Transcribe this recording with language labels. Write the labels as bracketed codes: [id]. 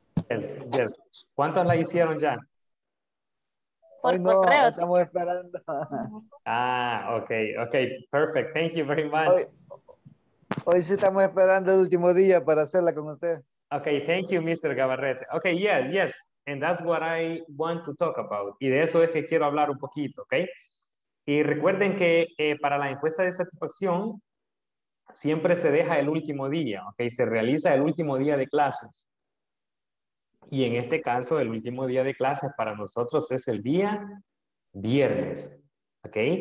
[en] Yes, yes. [es] ¿Cuántos la hicieron ya? Hoy no, correo, estamos [en] teacher. [es] Esperando. [en] Ah, okay, okay, perfect. Thank you very much. [es] Hoy sí estamos esperando el último día para hacerla con usted. [en] Okay, thank you, Mr. Gabarrete. Okay, yes, yes. And that's what I want to talk about. [es] Y de eso es que quiero hablar un poquito, okay? Y recuerden que para la encuesta de satisfacción siempre se deja el último día, okay? Se realiza el último día de clases. Y en este caso, el último día de clases para nosotros es el día viernes, ¿ok?